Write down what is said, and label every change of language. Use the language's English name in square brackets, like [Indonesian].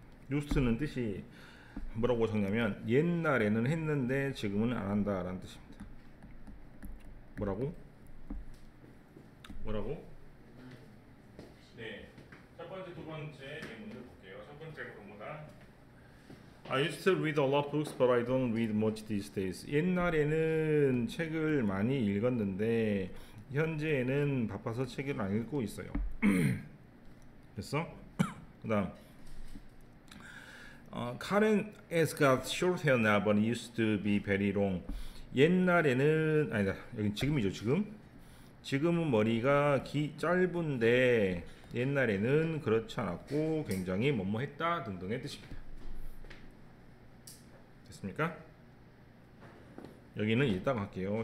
[Korean] 유스트는 뜻이 뭐라고 적냐면 옛날에는 했는데 지금은 안 한다라는 뜻입니다. 뭐라고? 네, 첫 번째 두 번째 예문을 볼게요. 첫 번째 그거보다 [English] I used to read a lot of books, but I don't read much these days. [Korean] 옛날에는 책을 많이 읽었는데 현재는 바빠서 책을 안 읽고 있어요. 됐어? 그다음. [English] Karen has got short hair now, but used to be very long. [Korean] 옛날에는 아니다 여기 지금이죠 지금. 지금은 머리가 짧은데 옛날에는 그렇지 않았고 굉장히 뭐뭐했다 등등의 뜻입니다. 됐습니까? 여기는 이따가 할게요.